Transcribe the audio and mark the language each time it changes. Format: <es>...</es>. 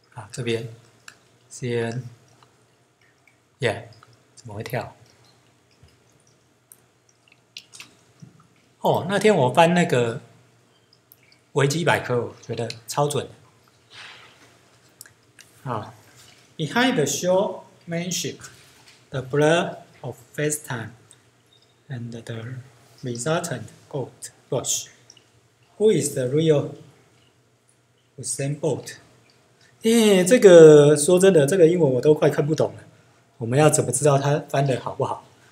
<zh>这边 ，CN， yeah， 怎么会跳？那天我翻那个维基百科，我觉得超准。</zh> <en>Behind the showmanship, the blur of FaceTime and the resultant gold rush. Who is the real Usain Bolt?</en> <zh>这个说真的，这个英文我都快看不懂了。我们要怎么知道他翻得好不好？</zh>